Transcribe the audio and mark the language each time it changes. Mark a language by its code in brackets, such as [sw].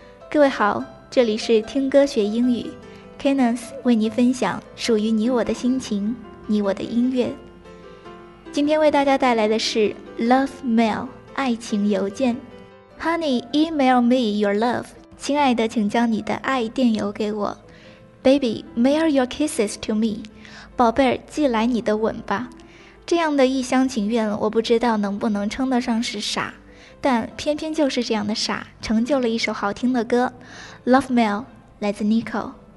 [zh] 各位好，这里是听歌学英语， Kenneth 为你分享属于你我的心情，你我的音乐。今天为大家带来的是 Love Mail 爱情邮件。 [en] Honey, email me your love， [zh] 亲爱的请将你的爱电邮给我。 [en] Baby, mail your kisses to me， [zh] 宝贝儿，寄来你的吻吧。这样的一厢情愿，我不知道能不能称得上是傻，但偏偏就是这样的傻成就了一首好听的歌。 Love Mail 来自 Nico。